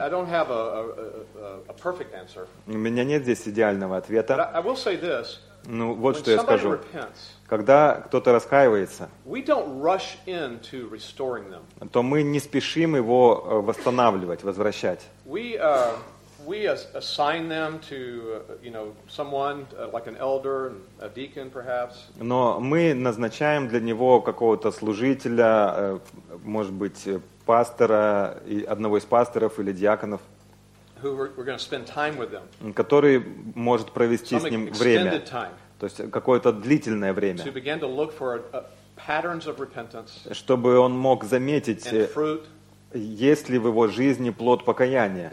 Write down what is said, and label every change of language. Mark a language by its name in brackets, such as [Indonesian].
[English] So I don't have a perfect answer. [Russian] У меня нет здесь идеального ответа. [English] But I will say this. [Russian] Ну, вот [English] when [Russian] что я скажу. [English] Repents, [Russian] когда кто-то раскаивается, [English] we don't rush into restoring them. [Russian] То мы не спешим его восстанавливать, возвращать. [English] We assign them to, you know, someone like an elder, a deacon, perhaps. [Russian] Но мы назначаем для него какого-то служителя, может быть, пастора, одного из пасторов или диаконов. [English] Who we're going to spend time with them? [Russian] Который может провести с ним время. [English] Some extended time. [Russian] То есть какое-то длительное время. [English] To begin to look for patterns of repentance. [Russian] Чтобы он мог заметить. [English] And fruit. [Russian] Есть ли в его жизни плод покаяния?